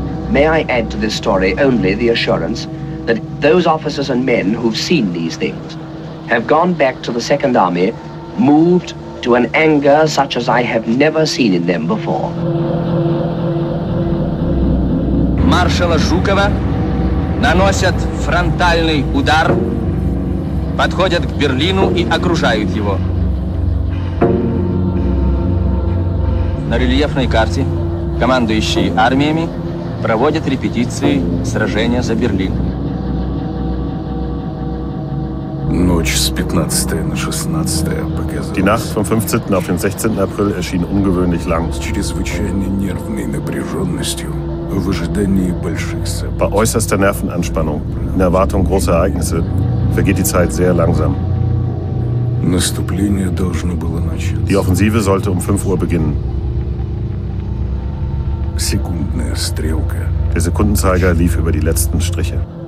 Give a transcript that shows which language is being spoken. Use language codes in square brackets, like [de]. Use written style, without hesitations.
[en] May I add to this story only the assurance that those officers and men who've seen these things have gone back to the Second Army moved to an anger such as I have never seen in them before. [ru] Маршала Жукова наносят фронтальный удар, подходят к Берлину и окружают его. На рельефной карте командующие армиями проводят репетиции сражения за Берлин. Ночь с 15 на 16 показалась. [de] Die Nacht vom 15. auf den 16. April erschien ungewöhnlich lang. [ru] С чрезвычайной нервной напряженностью. В ожидании больших событий. [de] Bei äußerster Nervenanspannung, in Erwartung großer Ereignisse, vergeht die Zeit sehr langsam. [ru] Наступление должно было начаться. [de] Die Offensive sollte um 5 Uhr beginnen. [ru] Секундная стрелка. [de] Der Sekundenzeiger lief über die letzten Striche.